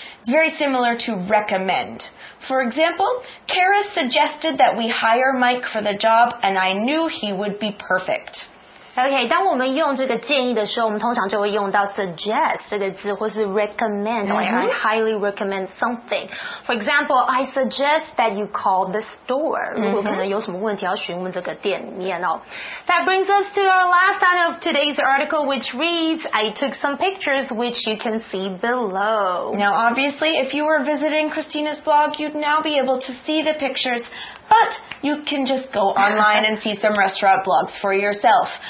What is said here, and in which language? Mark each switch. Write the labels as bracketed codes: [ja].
[en] very similar to recommend. For example, Kara suggested that we hire Mike for the job, and I knew he would be perfect. [zh] OK, 当我们用这个建议的时候，我们通常就会用到 suggest 这个字，或是 recommend,、mm-hmm. [en] like I highly recommend something. For example, I suggest that you call the store.、Mm-hmm. [zh] 如果可能有什么问题要询问这个店面哦。 [en] That brings us to our last item of today's article, which reads, I took some pictures, which you can see below. Now, obviously, if you were visiting Christina's blog, you'd now be able to see the pictures. But you can just go online and see some restaurant blogs for yourself.